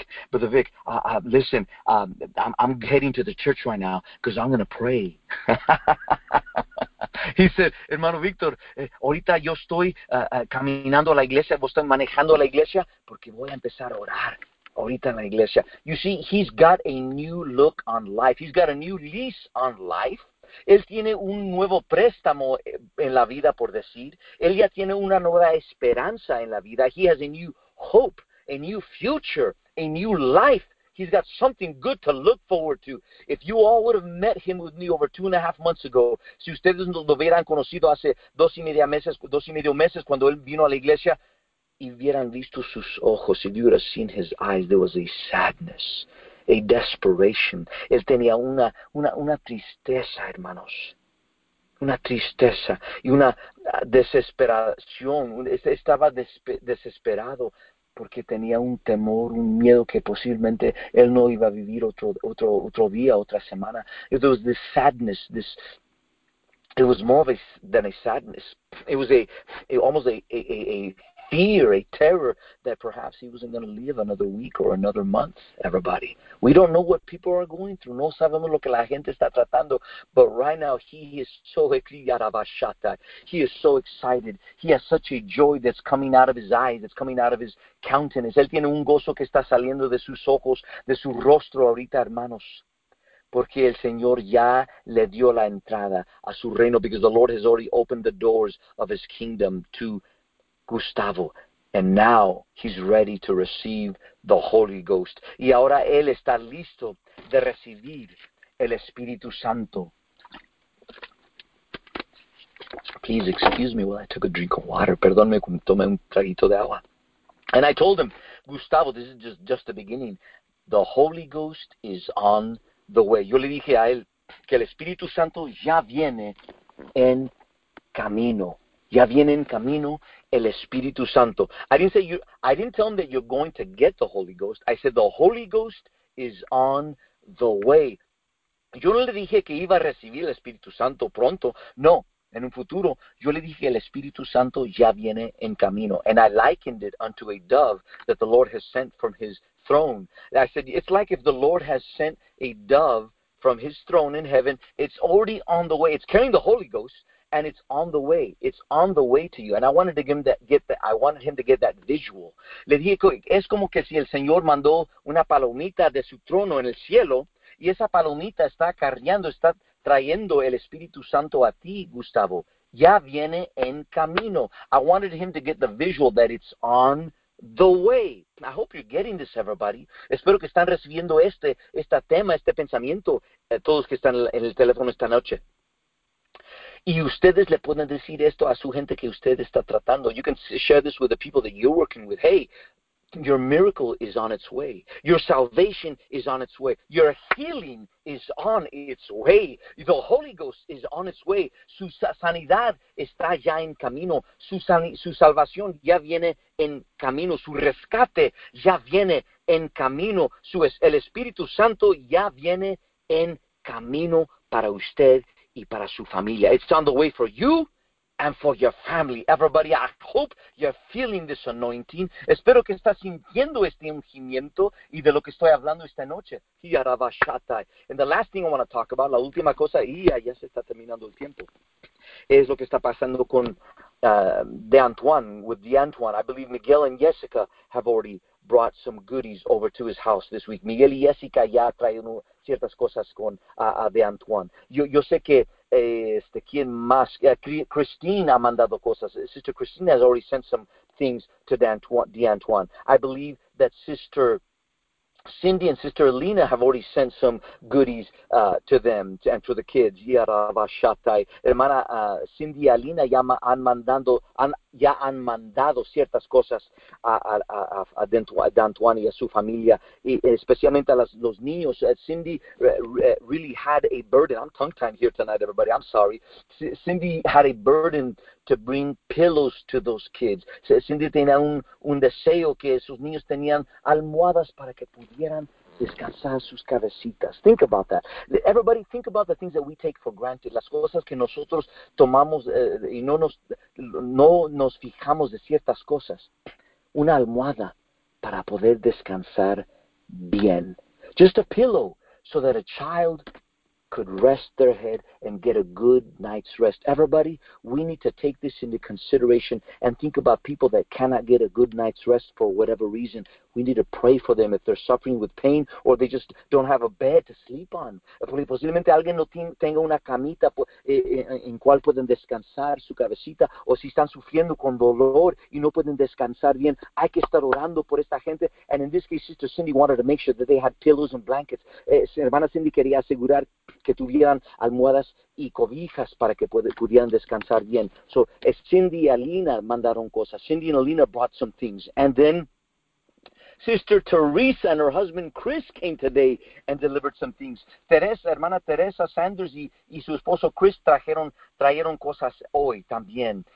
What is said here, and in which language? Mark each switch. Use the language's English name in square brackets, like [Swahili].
[English] Brother Vic, listen, I'm heading to the church right now because I'm going to pray. He said, [Spanish] hermano Víctor, ahorita yo estoy caminando a la iglesia, vos estás manejando a la iglesia porque voy a empezar a orar ahorita en la iglesia. [English] You see, he's got a new look on life. He's got a new lease on life. [Spanish] Él tiene un nuevo préstamo en la vida, por decir. Él ya tiene una nueva esperanza en la vida. [English] He has a new hope, a new future, a new life. He's got something good to look forward to. If you all would have met him with me over 2.5 months ago, [Spanish] si ustedes lo hubieran conocido hace dos y medio meses cuando él vino a la iglesia, y hubieran visto sus ojos, [English] if you would have seen his eyes, there was a sadness, a desperation. [Spanish] Él tenía una tristeza, hermanos. Una tristeza y una desesperación. Estaba desesperado porque tenía un temor, un miedo que posiblemente él no iba a vivir otro día, otra semana. [English] It was this sadness, it was more of than a sadness. It was almost a fear, a terror that perhaps he wasn't going to live another week or another month, everybody. We don't know what people are going through. [Spanish] No sabemos lo que la gente está tratando. [English] But right now, he is so excited. He has such a joy that's coming out of his eyes, that's coming out of his countenance. [Spanish] Él tiene un gozo que está saliendo de sus ojos, de su rostro ahorita, hermanos. Porque el Señor ya le dio la entrada a su reino. [English] Because the Lord has already opened the doors of his kingdom to Gustavo, and now he's ready to receive the Holy Ghost. [Spanish] Y ahora él está listo de recibir el Espíritu Santo. [English] Please excuse me while I took a drink of water. [Spanish] Perdónme cuando tomé un traguito de agua. [English] And I told him, Gustavo, this is just the beginning. The Holy Ghost is on the way. [Spanish] Yo le dije a él que el Espíritu Santo ya viene en camino. Ya viene en camino el Espíritu Santo. [English] I didn't tell him that you're going to get the Holy Ghost. I said the Holy Ghost is on the way. [Spanish] Yo no le dije que iba a recibir el Espíritu Santo pronto. No, en un futuro. Yo le dije el Espíritu Santo ya viene en camino. [English] And I likened it unto a dove that the Lord has sent from his throne. I said it's like if the Lord has sent a dove from his throne in heaven. It's already on the way. It's carrying the Holy Ghost. And it's on the way. It's on the way to you. And I wanted to get that visual. [Spanish] Le dije, es como que si el Señor mandó una palomita de su trono en el cielo, y esa palomita está cargando, está trayendo el Espíritu Santo a ti, Gustavo. Ya viene en camino. [English] I wanted him to get the visual that it's on the way. I hope you're getting this, everybody. [Spanish] Espero que están recibiendo este tema, este pensamiento, todos que están en el teléfono esta noche. Y ustedes le pueden decir esto a su gente que usted está tratando. [English] You can share this with the people that you're working with. [Spanish] Hey, [English] Your miracle is on its way. Your salvation is on its way. Your healing is on its way. The Holy Ghost is on its way. [Spanish] Su sanidad está ya en camino. Su salvación ya viene en camino. Su rescate ya viene en camino. El Espíritu Santo ya viene en camino para usted y para su familia. [English] It's on the way for you. And for your family, everybody, I hope you're feeling this anointing. [Spanish] Espero que estás sintiendo este ungimiento y de lo que estoy hablando esta noche. [English] And the last thing I want to talk about, [Spanish] la última cosa, y ya se está terminando el tiempo, es lo que está pasando con De Antoine. [English] I believe Miguel and Jessica have already brought some goodies over to his house this week. [Spanish] Miguel y Jessica ya traen ciertas cosas con De Antoine. Yo sé que quién más, Christine ha mandado cosas. [English] Sister Christine has already sent some things to De Antoine. I believe that Sister Cindy and Sister Alina have already sent some goodies to them and to the kids. Yaravashatai. [Spanish] Hermana Cindy y Alina ya han mandado ciertas cosas a De Antoine y a su familia, y especialmente a los niños. [English] Cindy really had a burden. I'm tongue-tied here tonight, everybody. I'm sorry. Cindy had a burden to bring pillows to those kids. [Spanish] Cindy tenía un deseo que sus niños tenían almohadas para que pudieran descansar sus cabecitas. [English] Think about that. Everybody, think about the things that we take for granted. [Spanish] Las cosas que nosotros tomamos y no nos fijamos de ciertas cosas. Una almohada para poder descansar bien. [English] Just a pillow so that a child could rest their head and get a good night's rest. Everybody, we need to take this into consideration and think about people that cannot get a good night's rest for whatever reason. We need to pray for them if they're suffering with pain or they just don't have a bed to sleep on. [Spanish] Posiblemente alguien no tenga una camita en cual pueden descansar su cabecita, o si están sufriendo con dolor y no pueden descansar bien, hay que estar orando por esta gente. [English] And in this case, Sister Cindy wanted to make sure that they had pillows and blankets. [Spanish] Hermana Cindy quería asegurar que tuvieran almohadas y cobijas para que pudieran descansar bien. [English] So [Spanish] Cindy y Alina mandaron cosas. [English] Cindy and Alina brought some things. And then Sister Teresa and her husband Chris came today and delivered some things. [Spanish] Hermana Teresa Sanders y su esposo Chris trajeron cosas hoy también.